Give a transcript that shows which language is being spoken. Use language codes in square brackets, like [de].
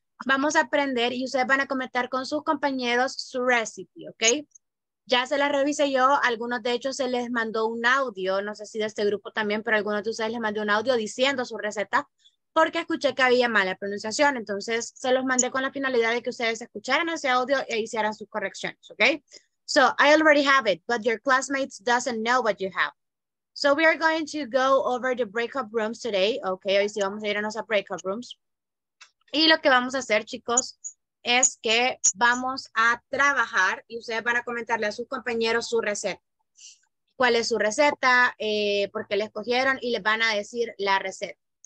[es] Vamos a aprender y ustedes van a comentar con sus compañeros su recipe, ¿ok? Ya se la revisé yo. Algunos de hecho se les mandó un audio, no sé si de este grupo también, pero algunos de ustedes les mandó un audio diciendo su receta porque escuché que había mala pronunciación. Entonces se los mandé con la finalidad de que ustedes escucharan ese audio e hicieran sus correcciones, ¿ok? [en] So I already have it, but your classmates doesn't know what you have. So we are going to go over the breakout rooms today. [es] Okay, hoy sí vamos a ir a nuestra breakout rooms. Y lo que vamos a hacer, chicos, es que vamos a trabajar y ustedes van a comentarle a sus compañeros su receta. ¿Cuál es su receta? ¿Por qué la escogieron? Y les van a decir la receta.